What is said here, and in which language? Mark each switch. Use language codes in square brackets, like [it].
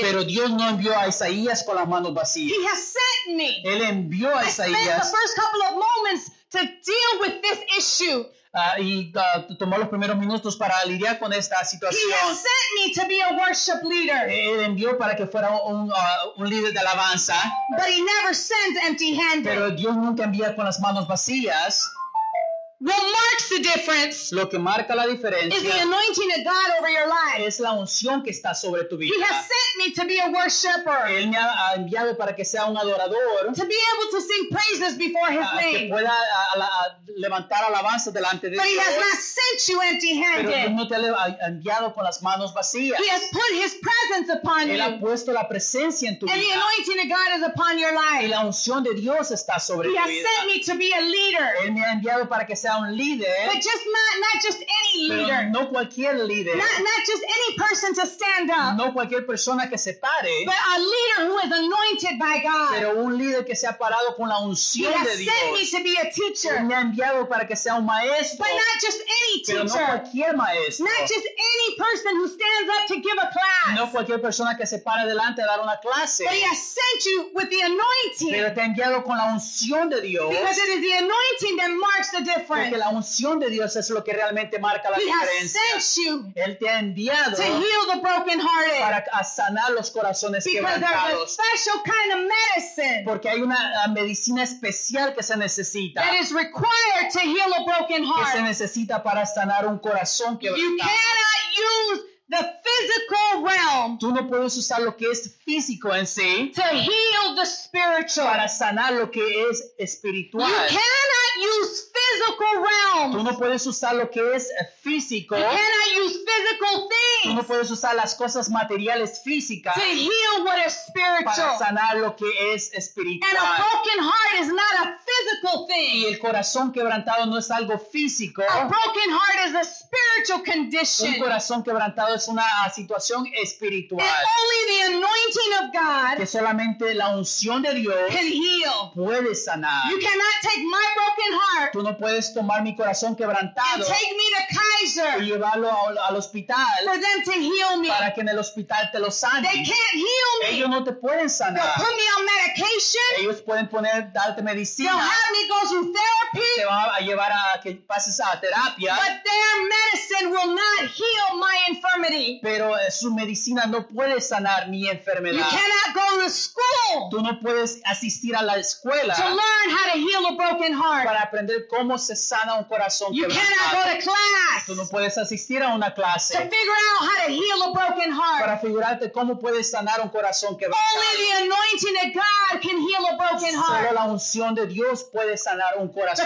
[es] Pero Dios no envió a Isaías con las manos vacías. [en] He has sent me. [es] Él envió a Isaías. [en] I spent the first couple of moments to deal with this issue. [es] Tomó los primeros minutos para lidiar con esta situación. [en] He has sent me to be a worship leader. [es] Él envió para que fuera un líder de alabanza. [en] But he never sent empty-handed. [es] Pero Dios nunca envía con las manos vacías. [en] What marks the difference? [es] Lo que marca la diferencia [en] is the anointing of God over your life. [es] Es la unción que está sobre tu vida. [en] He has sent me to be a worshipper. [es] Él me ha enviado para que sea un adorador. [en] To be able to sing praises before His name. [es] Que pueda levantar alabanzas delante de Él. [en] But He has not sent you empty-handed. [es] Pero Él no te ha enviado con las manos vacías. [en] He has put His presence upon you. [es] Él ha puesto la presencia en tu [en] and And the anointing of God is upon your life. [es] Y la unción de Dios está sobre [en] he [es] tu [en] has [es] vida. [en] He has sent me to be a leader. [es] Él me ha enviado para que sea sea un líder. [en] But just not just any leader. [es] No cualquier líder. [en] Not just any person to stand up. [es] No cualquier persona que se pare. [en] But a leader who is anointed by God. [es] Pero un líder que se ha parado con la unción de Dios. [en] He has sent me to be a teacher. [es] Me ha enviado para que sea un maestro. [en] But not just any teacher. [es] Pero no cualquier maestro. [en] Not just any person who stands up to give a class. [es] No cualquier persona que se pare delante de dar una clase. [en] But he has sent you with the anointing. [es] Pero te ha enviado con la unción de Dios. [en] Because it is the anointing that marks the difference. [es] Porque la unción de Dios es lo que realmente marca la diferencia. Él te ha enviado [en] to heal the broken hearted. [es] Para sanar los corazones quebrantados. [en] Because there's a special kind of medicine. [es] Porque hay una medicina especial que se necesita. [en] That is required to heal a broken heart. [es] Que se necesita para sanar un corazón quebrantado. [en] You cannot use the physical realm. [es] Tú no puedes usar lo que es físico en sí. [en] To heal the spiritual. [es] Para sanar lo que es espiritual. [en] You cannot use physical realms. [es] Tú no puedes usar lo que es físico. [en] You cannot use physical things. [es] Tú no puedes usar las cosas materiales físicas. [en] To heal what is spiritual. [es] Para sanar lo que es espiritual. [en] And a broken heart is not a physical thing. [es] Y el corazón quebrantado no es algo físico. [en] A broken heart is a spiritual condition. [es] Un corazón quebrantado es una situación espiritual. [en] And only the anointing of God [es] que solamente la unción de Dios [en] can heal. [es] Puede sanar. [en] You cannot take my broken heart. [es] Tú no puedes tomar mi corazón quebrantado [en] and take me to Kaiser [es] y llevarlo al hospital [en] for them to heal me. [es] Para que en el hospital te lo sane. [en] They can't heal me. [es] Ellos no te pueden sanar. [en] They'll put me on medication. [es] Ellos pueden poner darte medicina. [en] They'll have me go through therapy. [es] Te va a llevar a que pases a terapia. [en] But their medicine will not heal my infirmity. [es] Pero su medicina no puede sanar mi enfermedad. [en] You cannot go to school. [es] Tú no puedes asistir a la escuela. [en] To learn how to heal a broken heart. [es] Para aprender cómo se sana un corazón quebrantado. [en] You cannot go to class. [es] Tú no puedes asistir a una clase. [en] To figure out how to heal a broken heart. [es] Para figurarte cómo puedes sanar un corazón quebrantado. [en] Only the anointing of God can heal a broken heart. [es] Solo la unción de Dios puede sanar un corazón